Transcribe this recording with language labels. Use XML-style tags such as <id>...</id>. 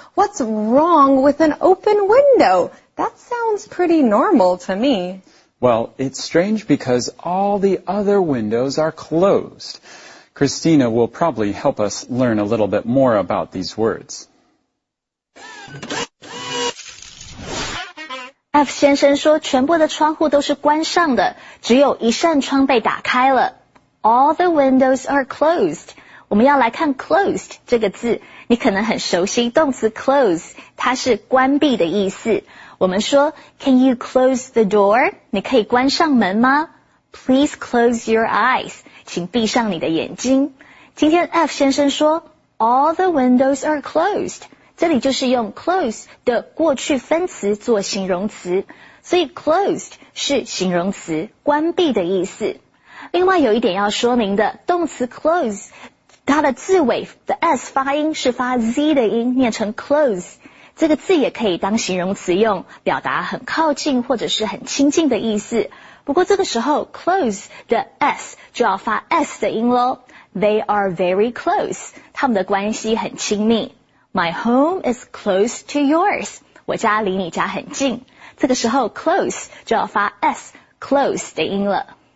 <en>What's wrong with an open window? That sounds pretty normal to me. Well, it's strange because all the other windows are closed. Christina will probably help us learn a little bit more about these words.</en> <zh>F 先生说全部的窗户都是关上的，只有一扇窗被打开了。</zh> <en>All the windows are closed.</en> <zh>我们要来看 closed 这个字，你可能很熟悉动词 close， 它是关闭的意思。我们说</zh> <en>Can you close the door?</en> <zh>你可以关上门吗？</zh> <en>Please close your eyes.</en> <zh>请闭上你的眼睛。今天 F 先生说</zh> <en>All the windows are closed.</en> <zh>这里就是用 close 的过去分词做形容词，所以 closed 是形容词，关闭的意思。另外有一点要说明的，动词 close 它的字尾的 s 发音是发 z 的音，念成 close， 这个字也可以当形容词用，表达很靠近或者是很亲近的意思。不过这个时候 close 的 s 就要发 s 的音咯，</zh> <en>They are very close，</en> <zh>他们的关系很亲密。</zh> <en>My home is close to yours.</en> <zh>我家离你家很近。这个时候 close 就要发 S, close 的音了。</zh>